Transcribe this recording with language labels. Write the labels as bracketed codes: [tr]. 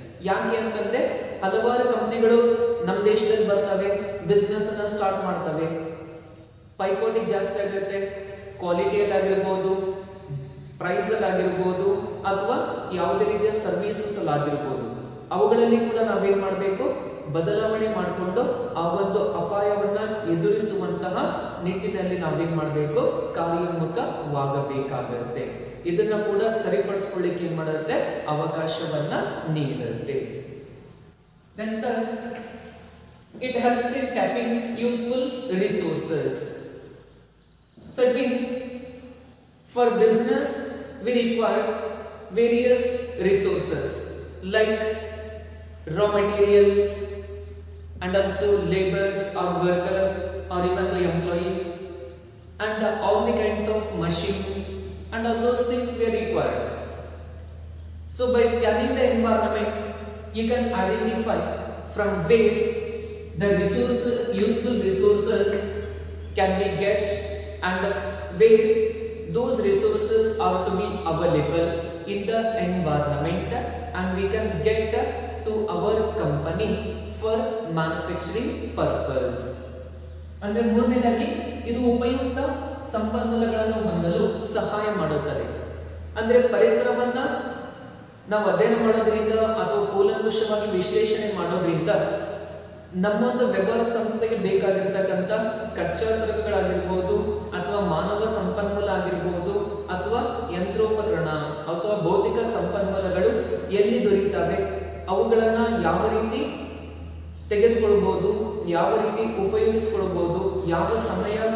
[kn] ಯಾಕೆ ಅಂತಂದರೆ ಹಲವಾರು ಕಂಪ್ನಿಗಳು ನಮ್ಮ ದೇಶದಲ್ಲಿ ಬರ್ತವೆ, ಬಿಸ್ನೆಸ್ಸನ್ನು ಸ್ಟಾರ್ಟ್ ಮಾಡ್ತವೆ, ಪೈಪೋಟಿ ಜಾಸ್ತಿ ಆಗುತ್ತೆ, ಕ್ವಾಲಿಟಿಯಲ್ಲಾಗಿರ್ಬೋದು, ಪ್ರೈಸಲ್ಲಾಗಿರ್ಬೋದು ಅಥವಾ ಯಾವುದೇ ರೀತಿಯ ಸರ್ವೀಸಸ್ಸಲ್ಲಾಗಿರ್ಬೋದು, ಅವುಗಳಲ್ಲಿ ಕೂಡ ನಾವೇನು ಮಾಡಬೇಕು, ಬದಲಾವಣೆ ಮಾಡಿಕೊಂಡು ಆ ಒಂದು ಅಪಾಯವನ್ನು ಎದುರಿಸುವಂತಹ ನಿಟ್ಟಿನಲ್ಲಿ ನಾವೇನು ಮಾಡಬೇಕು, ಕಾರ್ಯೋನ್ಮುಖವಾಗಬೇಕಾಗುತ್ತೆ. ಇದನ್ನು ಕೂಡ ಸರಿಪಡಿಸ್ಕೊಳ್ಳಿಕ್ಕೆ ಏನು ಮಾಡುತ್ತೆ, ಅವಕಾಶವನ್ನು ನೀಡುತ್ತೆ. ನಂತರ [en] It helps in tapping useful resources. So it means for business we required various resources like raw materials and also laborers or workers or even the employees and all the kinds of machines and all those things we require. So by scanning the environment you can identify from where the resources, useful resources can be get and where those resources are to be available in the environment and we can get to our company for manufacturing purpose. And then [kn] ಮೂರನೇದಾಗಿ ಇದು ಉಪಯುಕ್ತ ಸಂಪನ್ಮೂಲಗಳನ್ನು ಹೊಂದಲು ಸಹಾಯ ಮಾಡುತ್ತದೆ. ಅಂದರೆ ಪರಿಸರವನ್ನು ನಾವು ಅಧ್ಯಯನ ಮಾಡೋದ್ರಿಂದ ಅಥವಾ ಕೂಲಂಕುಷವಾಗಿ ವಿಶ್ಲೇಷಣೆ ಮಾಡೋದ್ರಿಂದ ನಮ್ಮೊಂದು ವ್ಯವಹಾರ ಸಂಸ್ಥೆಗೆ ಬೇಕಾಗಿರ್ತಕ್ಕಂಥ ಕಚ್ಚಾ ಸರಕುಗಳಾಗಿರ್ಬೋದು ಅಥವಾ ಮಾನವ ಸಂಪನ್ಮೂಲ ಆಗಿರ್ಬೋದು ಅಥವಾ ಯಂತ್ರೋಪಕರಣ ಅಥವಾ ಭೌತಿಕ ಸಂಪನ್ಮೂಲಗಳು ಎಲ್ಲಿ ದೊರೀತವೆ, ಅವುಗಳನ್ನು ಯಾವ ರೀತಿ ತೆಗೆದುಕೊಳ್ಬೋದು, ಯಾವ ರೀತಿ ಉಪಯೋಗಿಸ್ಕೊಳ್ಬೋದು, ಯಾವ ಸಮಯ